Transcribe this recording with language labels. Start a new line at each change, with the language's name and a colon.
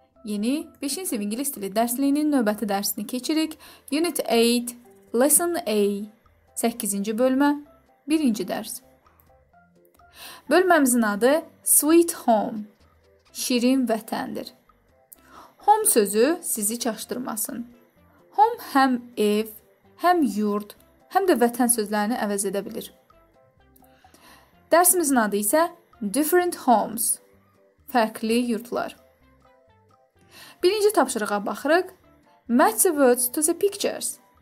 Azerbaijani: Yeni 5-ci ingilis dili dərsliyinin növbəti dərsini keçirik.
English: Unit 8, Lesson A,
Azerbaijani: 8-ci bölmə, 1-ci dərs. Bölməmizin adı Sweet Home, şirin vətəndir. Home sözü sizi çaşdırmasın. Home həm ev, həm yurt, həm də vətən sözlərini əvəz edə bilir. Dərsimizin adı isə Different Homes. Fərqli yurtlar. Birinci tapşırığa baxırıq.
English: Match the words to the pictures.